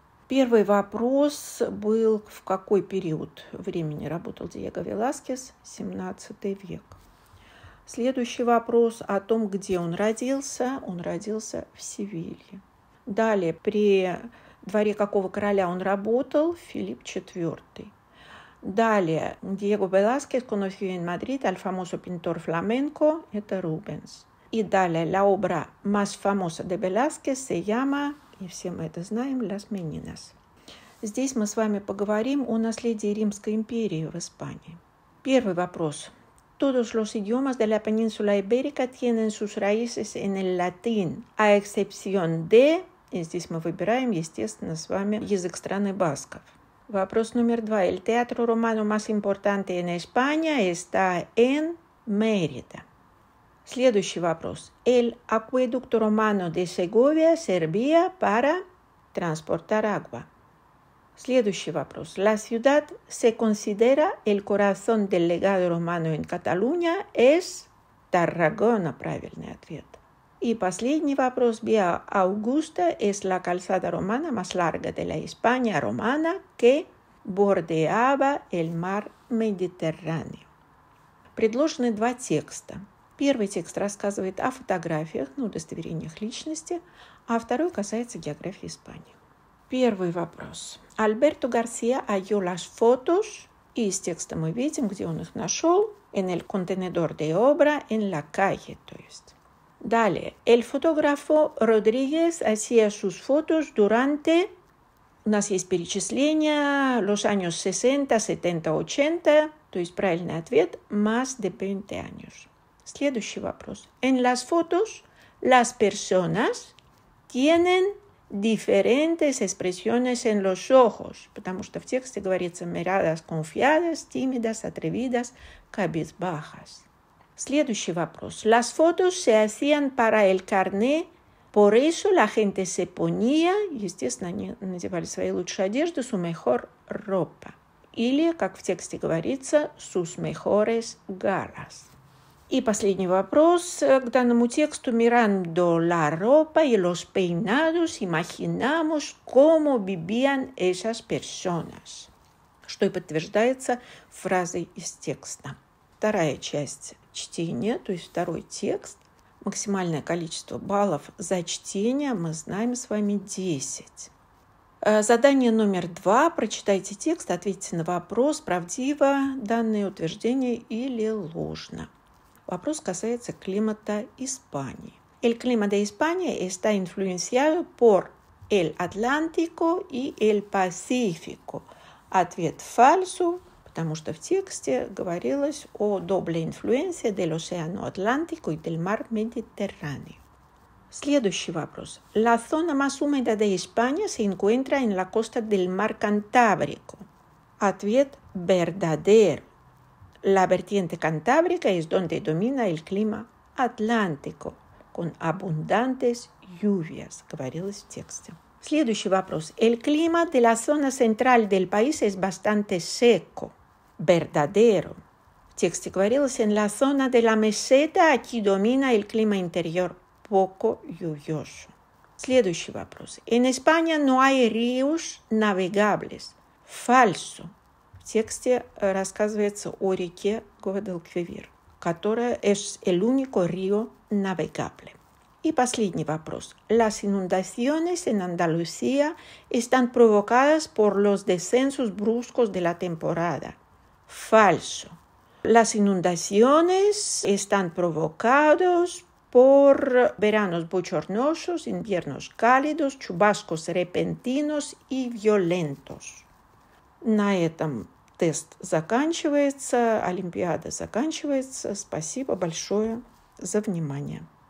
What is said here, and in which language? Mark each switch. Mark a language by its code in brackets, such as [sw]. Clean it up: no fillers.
[ru] Первый вопрос был, в какой период времени работал Диего Веласкес, 17 век. Следующий вопрос о том, где он родился. Он родился в Севилье. Далее, при дворе какого короля он работал? Филипп IV. Далее, Диего Веласкес [es] conoció en Madrid al famoso pintor flamenco, [ru] это Рубенс. И далее, [es] la obra más famosa de Velázquez se llama... [ru] И все мы это знаем, «Las Meninas». Здесь мы с вами поговорим о наследии Римской империи в Испании. Первый вопрос. [es] Todos los idiomas de la península ibérica tienen sus raíces en el latín, a excepción de... [ru] И здесь мы выбираем, естественно, с вами язык страны басков. Вопрос номер два. [es] El teatro romano más importante en España está en Mérida. [ru] Следующий вопрос. [es] El acueducto romano de Segovia servía para transportar agua. [ru] Следующий вопрос. [es] La ciudad se considera el corazón del legado romano en Cataluña es Tarragona. [ru] Правильный ответ. И последний вопрос. [es] Via Augusta es la calzada romana más larga de la España romana que bordeaba el mar Mediterráneo. [ru] Предложены два текста. Первый текст рассказывает о фотографиях, ну, удостоверениях личности, а второй касается географии Испании. Первый вопрос. Альберто Гарсия [es] halló las fotos, [ru] и из текста мы видим, где он их нашел, [es] en el contenedor de obra, en la calle, [ru] то есть. Далее. [es] El fotógrafo Rodríguez hacía sus fotos durante... [ru] У нас есть перечисления [es] los años 60, 70, 80, [ru] то есть правильный ответ, [es] más de 20 años. [ru] Следующий вопрос. [es] En las fotos, las personas tienen diferentes expresiones en los ojos, [ru] потому что в тексте говорится [es] miradas confiadas, tímidas, atrevidas, cabizbajas. [ru] Следующий вопрос. [es] Las fotos se hacían para el carnet, por eso la gente se ponía, [ru] естественно, они надевали свои лучшие одежды, [es] su mejor ropa, [ru] или, как в тексте говорится, [es] sus mejores galas. [ru] И последний вопрос к данному тексту. [es] Mirando la ropa y los peinados, imaginamos cómo vivían esas personas. [ru] Что и подтверждается фразой из текста. Вторая часть чтения, то есть второй текст. Максимальное количество баллов за чтение мы знаем с вами 10. Задание номер 2. Прочитайте текст, ответьте на вопрос, правдиво данное утверждение или ложно. Вопрос касается климата Испании. [es] El clima de España está influenciado por el Atlántico y el Pacífico. [ru] Ответ фальсу, потому что в тексте говорилось о [es] doble influencia del océano Atlántico y del mar Mediterráneo. [ru] Следующий вопрос. [es] La zona más húmeda de España se encuentra en la costa del mar Cantábrico. [ru] Ответ verdadero. [es] La vertiente cantábrica es donde domina el clima atlántico, con abundantes lluvias, [ru] говорилось в тексте. Следующий вопрос. [es] El clima de la zona central del país es bastante seco, verdadero. [ru] В тексте говорилось, [es] en la zona de la meseta aquí domina el clima interior, poco lluvioso. [ru] Следующий вопрос. [es] En España no hay ríos navegables, falso. [ru] В тексте рассказывается о реке Гуадалквивир, которая [es] es el único río navegable. [ru] И последний вопрос. [es] Las inundaciones en Andalucía están provocadas por los descensos bruscos de la temporada. Falso. Las inundaciones están provocadas por veranos bochornosos, inviernos cálidos, chubascos repentinos y violentos. [ru] На этом тест заканчивается, олимпиада заканчивается. Спасибо большое за внимание.